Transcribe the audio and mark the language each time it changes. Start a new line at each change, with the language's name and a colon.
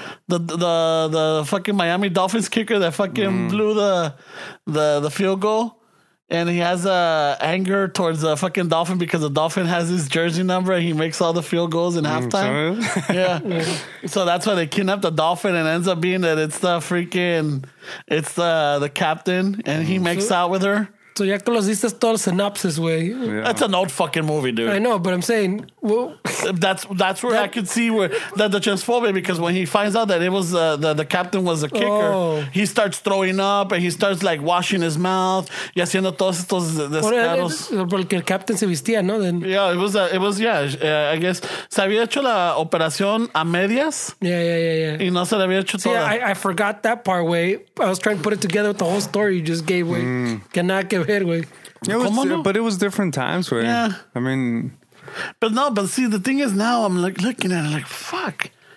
English: The fucking Miami Dolphins kicker that fucking blew the field goal. And he has anger towards the fucking Dolphin because the Dolphin has his jersey number and he makes all the field goals in halftime. Yeah. So that's why they kidnap the Dolphin and ends up being that it's the captain and he makes out with her.
Spanish: So ya que los diste toda la synopsis, güey.
English: Yeah. That's an old fucking movie, dude. I know, but I'm saying, well, that's where I could see where that the transphobia, because when he finds out that it was the captain was a kicker, he starts throwing up and he starts like washing his mouth, y haciendo todos estos descaros.
Spanish: Porque el captain se vestía, ¿no? Then. Yeah, it was I guess se había hecho la operación a medias.
English: Yeah.
Spanish: Y no se le había hecho toda.
English: Yeah, I forgot that part, güey. I was trying to put it together with the whole story you just gave, güey. But it was different times, right? Yeah. I mean, but see, the thing is, now I'm like looking at it like, fuck.